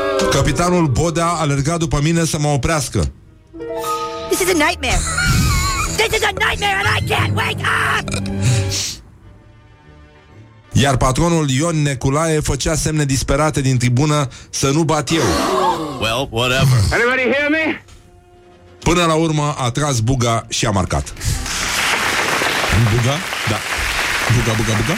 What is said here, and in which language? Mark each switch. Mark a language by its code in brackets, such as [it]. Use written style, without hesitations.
[ro] Capitanul Bodea alerga după mine să mă oprească. [en] This is a nightmare. This is a nightmare and I can't wake up. [ro] Iar patronul Ion Neculae făcea semne disperate din tribună să nu bat eu. [en] Well, whatever. Anybody hear me? [ro] Până la urmă a tras Buga și a marcat. Buga? Da. Buga.